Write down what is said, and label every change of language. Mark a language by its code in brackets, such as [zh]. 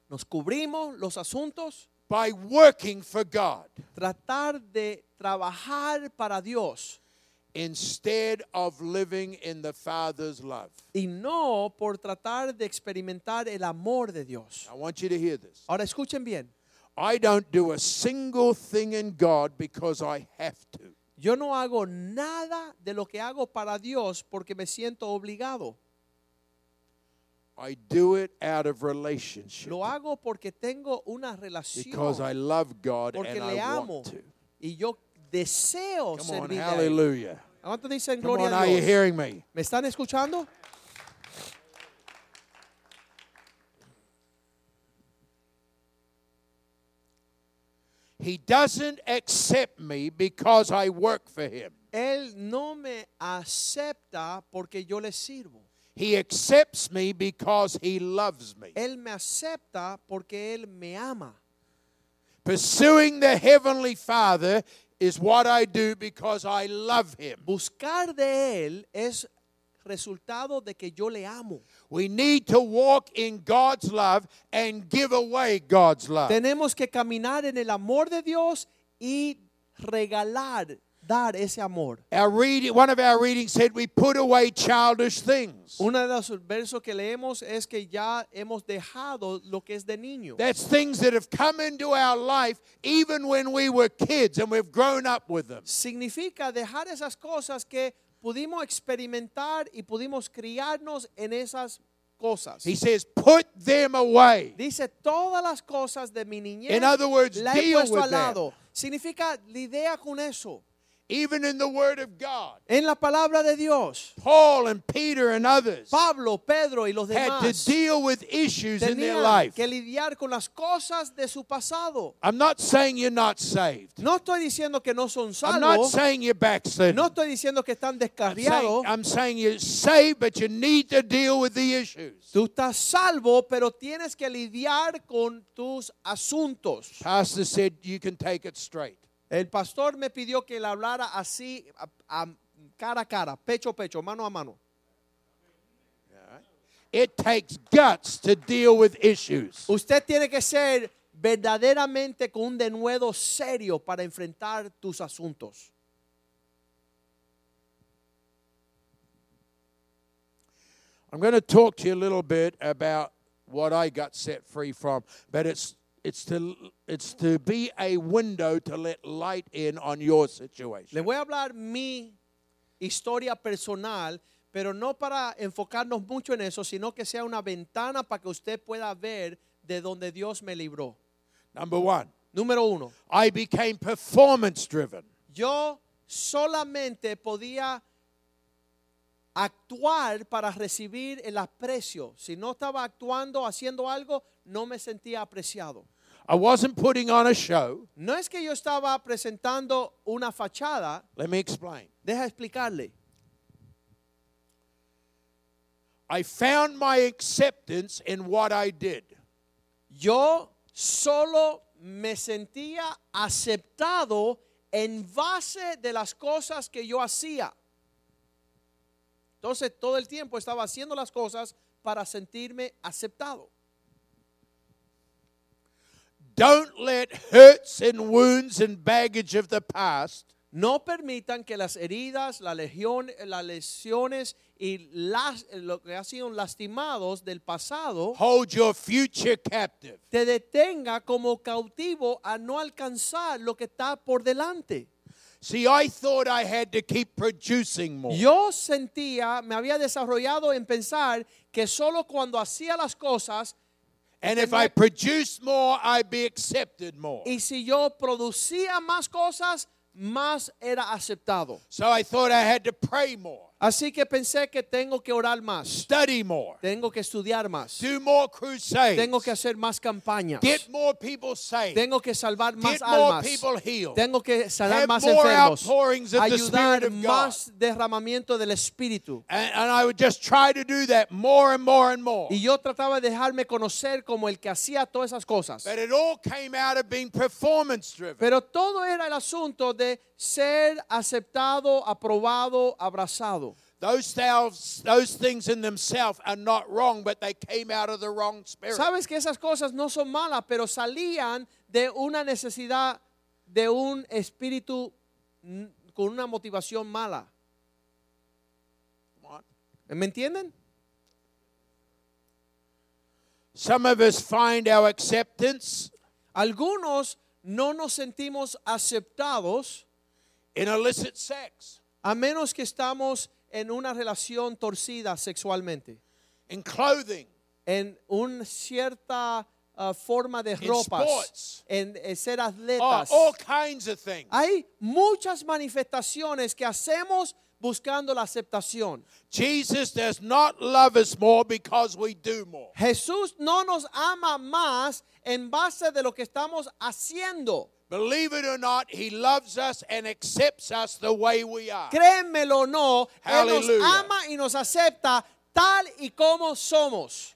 [es] Nos cubrimos los asuntos. [en] By working for God. [es] Tratar de trabajar para Dios. [en] Instead of living in the Father's love. [es] Y no por tratar de experimentar el amor de Dios. [en] I want you to hear this. [es] Ahora escuchen bien. [en] I don't do a single thing in God because I have to. [es] Yo no hago nada de lo que hago para Dios porque me siento obligado. [en] I do it out of relationship. [es] Lo hago porque tengo una relación. [en] Because I love God and [es] le amo, [en] I want to. [es] Y yo deseo servir. [en] Come on, hallelujah. [es] ¿Cuánto dicen gloria [en] on, [es] a Dios? [en] Are you hearing me? [es] ¿Me están escuchando? [en] He doesn't accept me because I work for him. [es] Él no me acepta porque yo le sirvo. [en] He accepts me because he loves me. [es] Él me acepta porque él me ama. [en] Pursuing the Heavenly Father is what I do because I love him. [es] Buscar de él es resultado de que yo le amo. [en] We need to walk in God's love and give away God's love. [es] Tenemos que caminar en el amor de Dios y regalar, dar ese amor. [en] One of our readings said we put away childish things. [es] Uno de los versos que leemos es que ya hemos dejado lo que es de niño. [en] That's things that have come into our life even when we were kids and we've grown up with them. [es] Significa dejar esas cosas que pudimos experimentar y pudimos criarnos en esas cosas. [en] He says, put them away. [es] Dice, todas las cosas de mi niñez. [en] In other words, [es] la he [en] deal [es] puesto [en] with [es] al lado. [en] Them. [es] Significa, lidia con eso. [en] Even in the word of God. [es] En la palabra de Dios. [en] Paul and Peter and others. [es] Pablo, Pedro y los demás. [en] Had to deal with issues in their life. [es] Tenían que lidiar con las cosas de su pasado. [en] I'm not saying you're not saved. [es] No estoy diciendo que no son salvos. [en] I'm not saying you're backslidden. [es] No estoy diciendo que están descarriados. [en] I'm saying you're saved, but you need to deal with the issues. [es] Tú estás salvo, pero tienes que lidiar con tus asuntos. [en] Pastor said you can take it straight. [es] El pastor me pidió que le hablara así, cara a cara, pecho a pecho, mano a mano. [en] It takes guts to deal with issues. [es] Usted tiene que ser verdaderamente con un denuedo serio para enfrentar tus asuntos. [en] I'm going to talk to you a little bit about what I got set free from, but it's to be a window to let light in on your situation. [es] Le voy a hablar mi historia personal, pero no para enfocarnos mucho en eso, sino que sea una ventana para que usted pueda ver de donde Dios me libró. [en] Number one. [es] Número uno. [en] I became performance driven. [es] Yo solamente podía actuar para recibir el aprecio. Si no estaba actuando, haciendo algo, no me sentía apreciado. [en] I wasn't putting on a show. [es] No es que yo estaba presentando una fachada. [en] Let me explain. [es] Deja explicarle. [en] I found my acceptance in what I did. [es] Yo solo me sentía aceptado en base de las cosas que yo hacía. Entonces, todo el tiempo estaba haciendo las cosas para sentirme aceptado. [en] Don't let hurts and wounds and baggage of the past. [es] No permitan que las heridas, las lesiones y lo que ha sido lastimados del pasado. [en] Hold your future captive. [es] Te detenga como cautivo a no alcanzar lo que está por delante. [en] See, I thought I had to keep producing more. [es] Yo sentía, me había desarrollado en pensar que solo cuando hacía las cosas. [en] And if I produced more, I'd be accepted more. [es] Y si yo producía más cosas, más era aceptado. [en] So I thought I had to pray more. [es] Así que pensé que tengo que orar más. [en] Study more. [es] Tengo que estudiar más. [en] Do more crusades. [es] Tengo que hacer más campañas. [en] Get more people saved. [es] Tengo que salvar más [en] Get [es] almas. [en] Get more people healed. [es] Tengo que sanar [en] Have [es] más [en] more [es] enfermos. [en] Outpourings of [es] Ayudar [en] the Spirit of God. [es] Más derramamiento del Espíritu. [en] And I would just try to do that more and more and more. [es] Y yo trataba de dejarme conocer como el que hacía todas esas cosas. [en] But it all came out of being performance driven. [es] Pero todo era el asunto de ser aceptado, aprobado, abrazado. [en] Those things in themselves are not wrong, but they came out of the wrong spirit. [es] Sabes que esas cosas no son malas, pero salían de una necesidad, de un espíritu con una motivación mala. ¿Me entienden? [en] Some of us find our acceptance. [es] Algunos no nos sentimos aceptados. [en] In illicit sex. [es] A menos que estamos en una relación torcida sexualmente. [en] In clothing. [es] en un cierta forma de ropas, en ser atletas. [en] All kinds of things. [es] Hay muchas manifestaciones que hacemos buscando la aceptación. [en] Jesus does not love us more because we do more. [es] Jesús no nos ama más en base de lo que estamos haciendo. [en] Believe it or not, he loves us and accepts us the way we are. [es] Créemelo o no, él nos ama y nos acepta tal y como somos.